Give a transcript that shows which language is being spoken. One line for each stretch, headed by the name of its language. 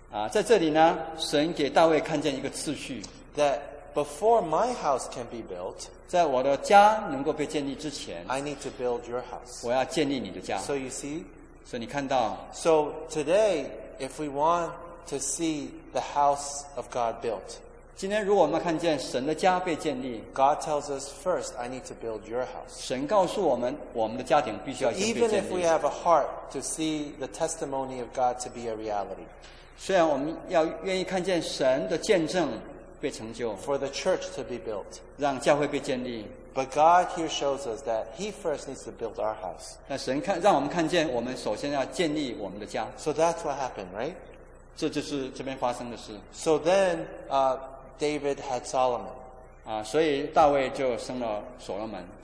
Chinese: 在这里呢，神给大卫看见一个次序。
English: That before my house can be built,
Chinese: 在我的家能够被建立之前，
English: I need to build your house.
Chinese: 我要建立你的家。
English: So you see,
Chinese: 所以你看到。
English: So today, if we want to see the house of God built,
Chinese: 今天如果我们看见神的家被建立，
English: God tells us first, I need to build your house.
Chinese: 神告诉我们，我们的家庭必须要先被建立。
English: Even if we have a heart to see the testimony of God to be a reality,
Chinese: 虽然我们要愿意看见神的见证被成就，
English: for the church to be built,
Chinese: 让教会被建立。
English: But God here shows us that He first needs to build our house.
Chinese: 那神看，让我们看见我们首先要建立我们的家。
English: So that's what happened, right?
Chinese: 这就是这边发生的事。
English: So then, David had Solomon.
Chinese: 所以大卫就生了所罗门。